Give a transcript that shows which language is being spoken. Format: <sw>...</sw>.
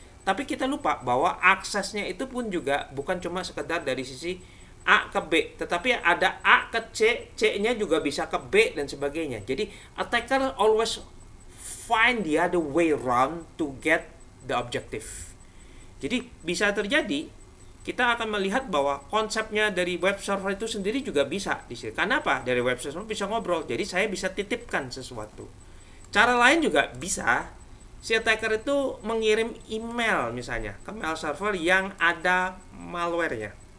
<id>Tapi kita lupa bahwa aksesnya itu pun juga bukan cuma sekedar dari sisi A ke B, tetapi ada A ke C, C-nya juga bisa ke B dan sebagainya.</id> <en>Jadi attacker always find the other way round to get the objective.</en> <id>Jadi bisa terjadi, kita akan melihat bahwa konsepnya dari web server itu sendiri juga bisa di sini. Kenapa? Dari web server bisa ngobrol. Jadi saya bisa titipkan sesuatu. Cara lain juga bisa, si attacker itu mengirim email misalnya ke mail server yang ada malware-nya.</id>